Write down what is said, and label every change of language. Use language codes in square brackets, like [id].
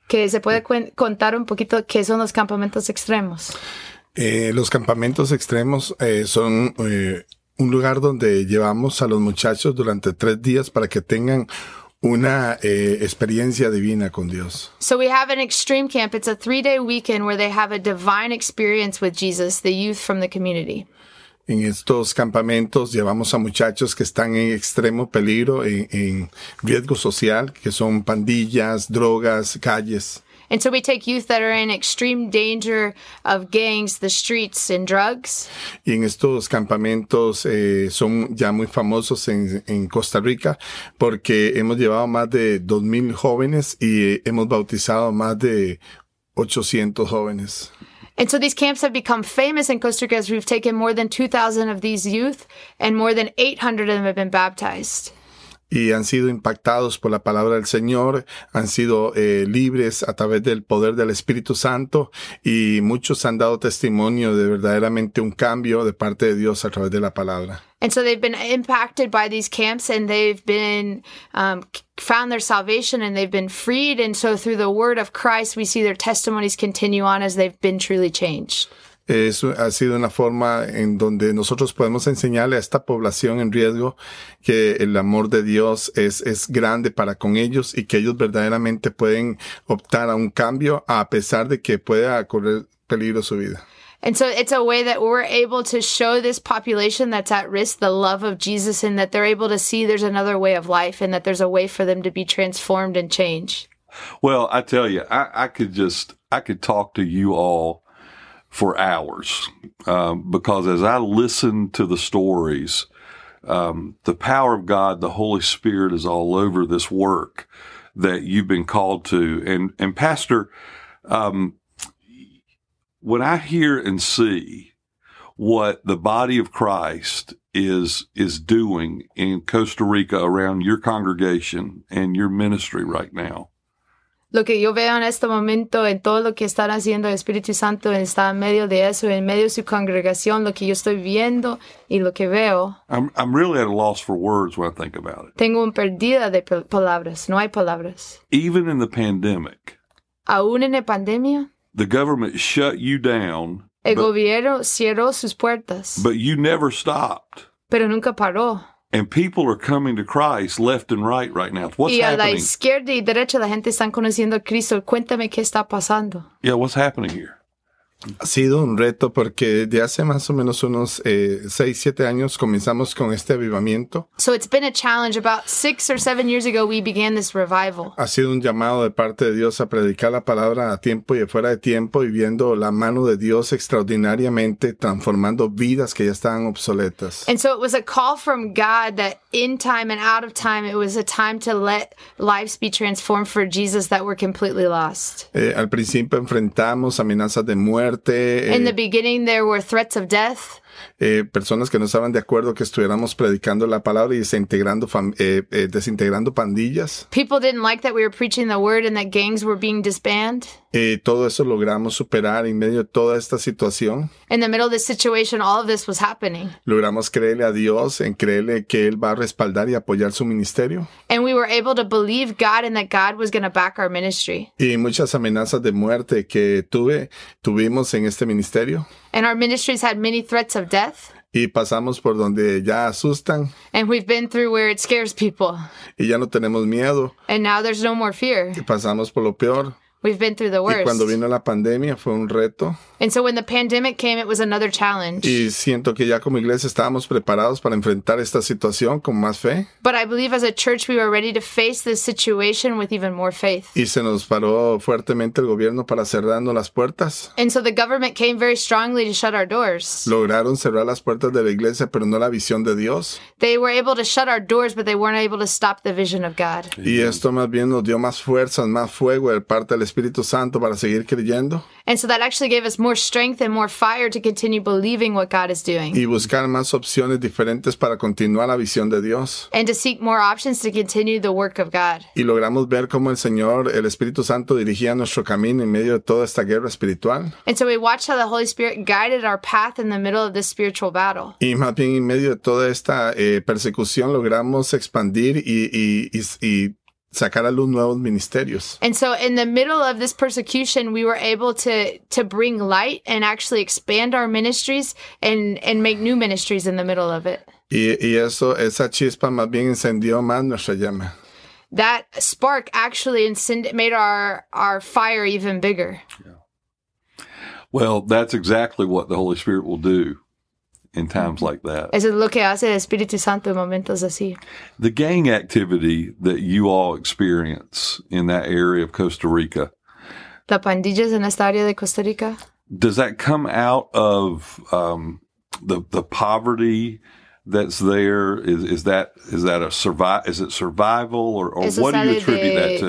[es] ¿Que se puede contar un poquito qué son los campamentos extremos? Los campamentos extremos son un lugar donde llevamos a los muchachos durante 3 días para que tengan una experiencia divina con Dios. [en] So we have an extreme camp. It's a 3-day weekend where they have a divine experience with Jesus, the youth from the community. [es] En estos campamentos llevamos a muchachos que están en extremo peligro, en riesgo social, que son pandillas, drogas, calles. [en] And so we take youth that are in extreme danger of gangs, the streets, and drugs. [es] Y en estos campamentos son ya muy famosos en Costa Rica, porque hemos llevado más de 2,000 jóvenes y hemos bautizado más de 800 jóvenes. [en] And so these camps have become famous in Costa Rica, as we've taken more than 2,000 of these youth, and more than 800 of them have been baptized. [es] y han sido impactados por la palabra del Señor, han sido libres a través del poder del Espíritu Santo, y muchos han dado testimonio de verdaderamente un cambio de parte de Dios a través de la palabra. [en] And so they've been impacted by these camps, and they've been found their salvation, and they've been freed. And so through the word of Christ, we see their testimonies continue on as they've been truly changed. [es] Es, ha sido una forma en donde nosotros podemos enseñarle a esta población en riesgo que el amor de Dios es grande para con ellos, y que ellos verdaderamente pueden optar a un cambio a pesar de que pueda correr peligro su vida. [en] And so it's a way that we're able to show this population that's at risk the love of Jesus, and that they're able to see there's another way of life, and that there's a way for them to be transformed and change. Well, I tell you, I could talk to you all for hours, because as I listen to the stories, the power of God, the Holy Spirit is all over this work that you've been called to. And Pastor, when I hear and see what the body of Christ is doing in Costa Rica around your congregation and your ministry right now. [es] Lo que yo veo en este momento, en todo lo que están haciendo el Espíritu Santo, está en medio de eso, en medio de su congregación, lo que yo estoy viendo y lo que veo. [en] I'm really at a loss for words when I think about it. [es] Tengo una pérdida de palabras. No hay palabras. [en] Even in the pandemic. [es] Aún en la pandemia. [en] The government shut you down. [es] El gobierno cerró sus puertas. [en] But you never stopped. [es] Pero nunca paró. [en] And people are coming to Christ left and right right now. What's [es] y a [en] happening? [es] La izquierda y derecha, la gente están conociendo a Cristo. Cuéntame qué está pasando. [en] Yeah, what's happening here? [es] Ha sido un reto porque de hace más o menos unos 6-7 años comenzamos con este avivamiento. [en] So it's been a challenge. About 6 or 7 years ago we began this revival. [es] Ha sido un llamado de parte de Dios a predicar la palabra a tiempo y fuera de tiempo, y viendo la mano de Dios extraordinariamente transformando vidas que ya estaban obsoletas. [en] And so it was a call from God that in time and out of time it was a time to let lives be transformed for Jesus that were completely lost. [es] Al principio enfrentamos amenazas de muerte. [en] In the beginning, there were threats of death. [es] Personas que no estaban de acuerdo que estuviéramos predicando la palabra y desintegrando pandillas. [en] People didn't like that we were preaching the word and that gangs were being disbanded. [es] Todo eso logramos superar en medio de toda esta situación. [en] In the middle of this situation, all of this was happening. [es] Logramos creerle a Dios, en creerle que Él va a respaldar y apoyar su ministerio. [en] And we were able to believe God and that God was going to back our ministry. [es] Y muchas amenazas de muerte que tuvimos en este ministerio. [en] And our ministries had many threats of death. [es] Y pasamos por donde ya asustan. [en] And we've been through where it scares people. [es] Y ya no tenemos miedo. [en] And now there's no more fear. [es] Y pasamos por lo peor. [en] We've been through the worst. [es] Y cuando vino la pandemia fue un reto. [en] And so when the pandemic came, it was another challenge. [es] Y siento que ya como iglesia estábamos preparados para enfrentar esta situación con más fe. [en] But I believe as a church we were ready to face this situation with even more faith. [es] Y se nos paró fuertemente el gobierno para cerrarnos las puertas. [en] And so the government came very strongly to shut our doors. [es] Lograron cerrar las puertas de la iglesia, pero no la visión de Dios. [en] They were able to shut our doors, but they weren't able to stop the vision of God. [es] Y esto más bien nos dio más fuerzas, más fuego de parte del Espíritu Santo para seguir creyendo. [en] And so that actually gave us more strength and more fire to continue believing what God is doing. [es] Y buscar más opciones diferentes para continuar la visión de Dios. [en] And to seek more options to continue the work of God. [es] Y logramos ver cómo el Señor, el Espíritu Santo, dirigía nuestro camino en medio de toda esta guerra espiritual. [en] And so we watched how the Holy Spirit guided our path in the middle of this spiritual battle. [es] Y más bien en medio de toda esta persecución logramos expandir y sacar a luz nuevos ministerios. [en] And so in the middle of this persecution, we were able to bring light and actually expand our ministries and make new ministries in the middle of it. [es] Y eso, esa chispa más bien encendió más nuestra llama. [en] That spark actually made our fire even bigger. Yeah. Well, that's exactly what the Holy Spirit will do in times like that. [es] Eso es lo que hace el Espíritu Santo en momentos así. [en] The gang activity that you all experience in that area of Costa Rica. [es] La pandillas en esta área de Costa Rica. [en] Does that come out of the poverty that's there? Is it survival or what do you attribute that to?